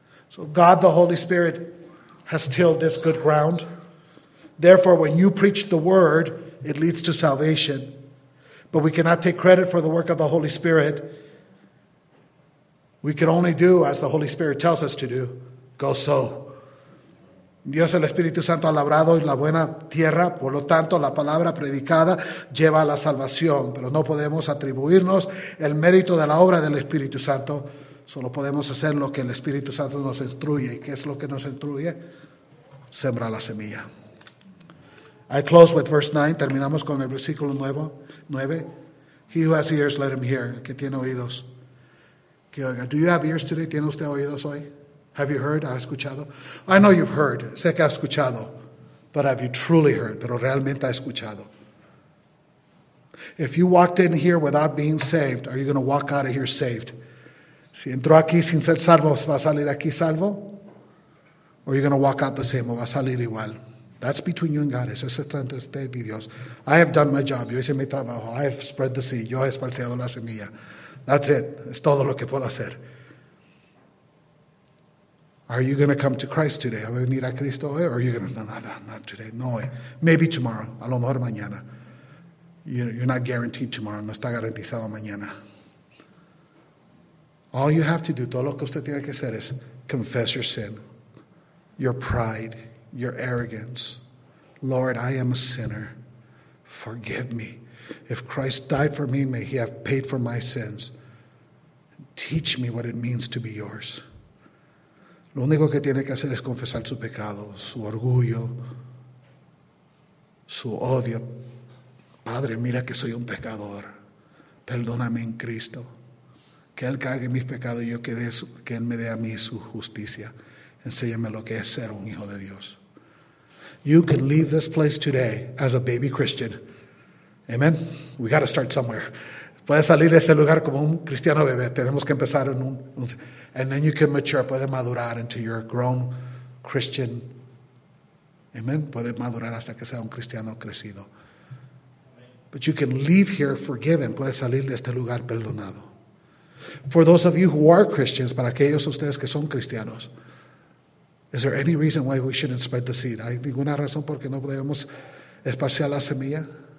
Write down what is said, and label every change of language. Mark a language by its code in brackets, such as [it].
[en] So God, the Holy Spirit, has tilled this good ground. Therefore, when you preach the word, it leads to salvation. But we cannot take credit for the work of the Holy Spirit. We can only do as the Holy Spirit tells us to do. Go sow. [es] Dios el Espíritu Santo ha labrado en la buena tierra, por lo tanto la palabra predicada lleva a la salvación, pero no podemos atribuirnos el mérito de la obra del Espíritu Santo, solo podemos hacer lo que el Espíritu Santo nos instruye. ¿Y qué es lo que nos instruye? Sembra la semilla. [en] I close with verse 9, [es] terminamos con el versículo 9. [en] He who has ears, let him hear, [es] que tiene oídos. Que oiga. [en] Do you have ears today? [es] ¿Tiene usted oídos hoy? [en] Have you heard? [es] ¿Ha escuchado? [en] I know you've heard. [es] Sé que ha escuchado. [en] But have you truly heard? [es] Pero realmente ha escuchado. [en] If you walked in here without being saved, are you going to walk out of here saved? [es] Si entró aquí sin ser salvo, ¿va a salir aquí salvo? [en] Or are you going to walk out the same? [es] ¿O va a salir igual? [en] That's between you and God. [es] Eso es entre usted y Dios. [en] I have done my job. [es] Yo hice mi trabajo. [en] I have spread the seed. [es] Yo he esparciado la semilla. [en] That's it. [es] Es todo lo que puedo hacer. [en] Are you going to come to Christ today? [es] ¿Va a venir a Cristo hoy? [en] Or are you going to, not today. [es] No hoy. [en] Maybe tomorrow. [es] A lo mejor mañana. [en] You're not guaranteed tomorrow. [es] No está garantizado mañana. [en] All you have to do, [es] todo lo que usted tiene que hacer es [en] confess your sin, your pride, your arrogance. Lord, I am a sinner. Forgive me. If Christ died for me, may he have paid for my sins. Teach me what it means to be yours. [es] Lo único que tiene que hacer es confesar su pecado, su orgullo, su odio. Padre, mira que soy un pecador. Perdóname en Cristo. Que Él cargue mis pecados y yo que, que Él me dé a mí su justicia. Enséñame lo que es ser un hijo de Dios. [en] You can leave this place today as a baby Christian. Amen. We got to start somewhere. [es] Puedes salir de ese lugar como un cristiano bebé. Tenemos que empezar en un [en] and then you can mature. [es] Puede madurar [en] into your grown Christian. Amen. [es] Puede madurar hasta que sea un cristiano crecido. [en] But you can leave here forgiven. [es] Puedes salir de este lugar perdonado. [en] For those of you who are Christians, [es] para aquellos de ustedes que son cristianos, [en] is there any reason why we shouldn't spread the seed? [es] ¿Hay ninguna razón por qué no podemos esparcir la semilla?